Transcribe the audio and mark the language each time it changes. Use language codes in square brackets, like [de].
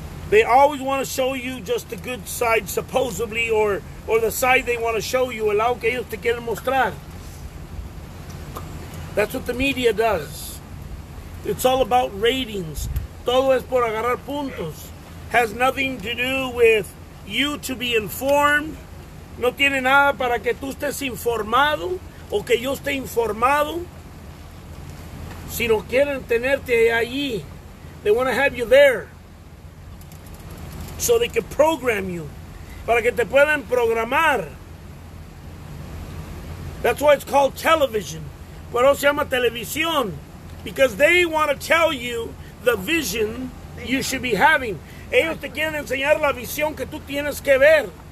[en] They always want to show you just the good side, supposedly, or the side they want to show you. [es] El lado que ellos te quieren mostrar. [en] That's what the media does. It's all about ratings. [es] Todo es por agarrar puntos. [en] Has nothing to do with you to be informed. [es] No tiene nada para que tú estés informado o que yo esté informado. Sino quieren tenerte allí. [en] They want to have you there. So they can program you. [es] Para que te puedan programar. [en] That's why it's called television. [es] Por eso se llama televisión. [en] Because they want to tell you the vision you should be having. [es] Ellos te quieren enseñar la visión que tú tienes que ver.